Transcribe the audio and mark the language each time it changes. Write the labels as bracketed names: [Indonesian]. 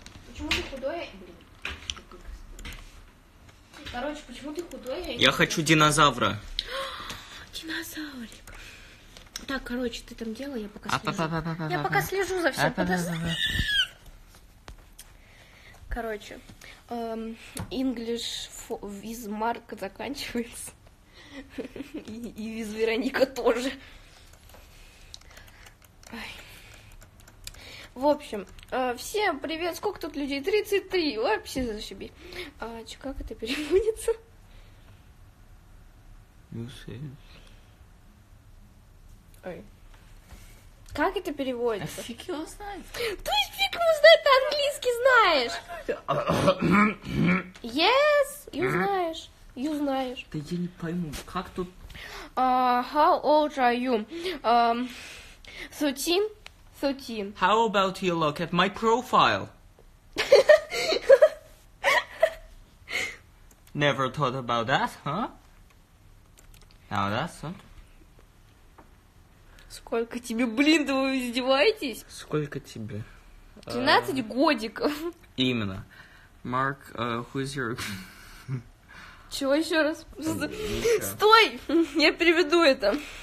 [Russian] Почему ты худой? Блин. Короче, почему ты худой? Я хочу динозавра. Динозаврик. Так, короче, ты там делай, я пока слежу. Я пока слежу за всем. Короче, English with Mark заканчивается. И виз Вероника тоже. Ай. В общем, всем привет! Сколько тут людей? 33! Вообще зашиби. А чё, как это переводится? [English] You see. [Russian] Ой. Как это переводится? А фиг его знает. То есть фиг его знает, ты английский знаешь. [English] Yes, you [Russian] знаешь. И узнаешь. Да я не пойму, как тут... [English] How old are you? 13? 13. How about you look at my profile? Never thought about that, huh? Now that's it. [Russian] Сколько тебе, блин, да вы издеваетесь? Сколько тебе? 13 годиков. Именно. [English] Mark, who is your... [Russian] Чего еще раз? Еще. Стой! Я переведу это.